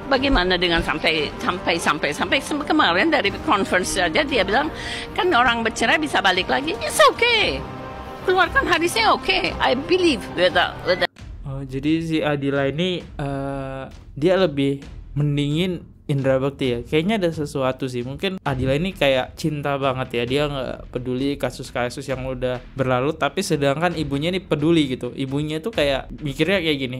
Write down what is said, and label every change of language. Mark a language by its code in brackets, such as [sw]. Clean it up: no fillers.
[id] Bagaimana dengan sampai kemarin dari conference saja dia bilang, kan orang bercerai bisa balik lagi, [en] it's okay. [id] Keluarkan hadisnya, oke, [en] okay. I believe with that. [id] Oh, jadi si Adila ini dia lebih mendingin Indra Bakti ya. Kayaknya ada sesuatu sih. Mungkin Adila ini kayak cinta banget ya. Dia gak peduli kasus-kasus yang udah berlalu. Tapi sedangkan ibunya ini peduli gitu. Ibunya tuh kayak mikirnya kayak gini.